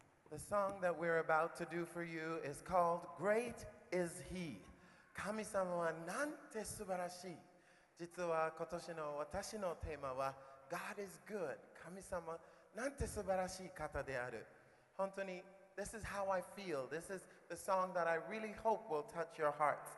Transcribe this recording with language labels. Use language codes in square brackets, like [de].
[en] The song that we're about to do for you is called Great Is He. [ja] 神様はなんて素晴らしい。実は今年の私のテーマは [en] God is good. [ja] 神様なんて素晴らしい方である。本当に、 [en] This is how I feel. This is the song that I really hope will touch your hearts.